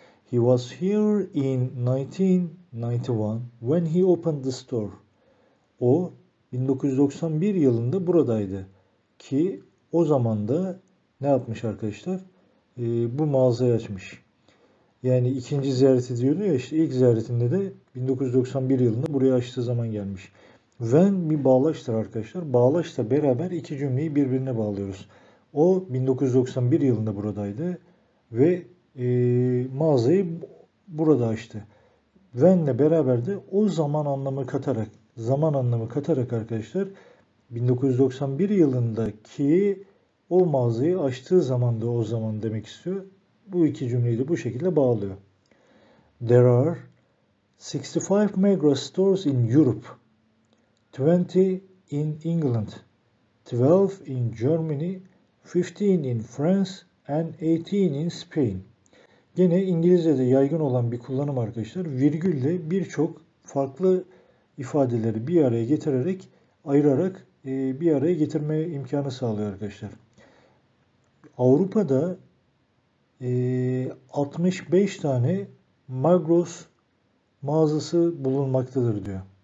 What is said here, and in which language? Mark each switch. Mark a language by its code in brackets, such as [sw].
[en] He was here in 1991 when he opened the store. [tr] O 1991 yılında buradaydı ki o zaman da ne yapmış arkadaşlar? Bu mağazayı açmış. Yani ikinci ziyareti diyordu ya, işte ilk ziyaretinde de 1991 yılında buraya açtığı zaman gelmiş. When bir bağlaçtır arkadaşlar. Bağlaçla beraber iki cümleyi birbirine bağlıyoruz. O 1991 yılında buradaydı ve mağazayı burada açtı. When'le beraber de o zaman anlamı katarak, zaman anlamı katarak arkadaşlar 1991 yılındaki o mağazayı açtığı zamanda o zaman demek istiyor. Bu iki cümleyi de bu şekilde bağlıyor. [en] There are 65 Migros stores in Europe, 20 in England, 12 in Germany, 15 in France and 18 in Spain. [tr] Gene İngilizce'de yaygın olan bir kullanım arkadaşlar, virgülle birçok farklı ifadeleri bir araya getirerek, ayırarak bir araya getirme imkanı sağlıyor arkadaşlar. Avrupa'da 65 tane Migros mağazası bulunmaktadır diyor.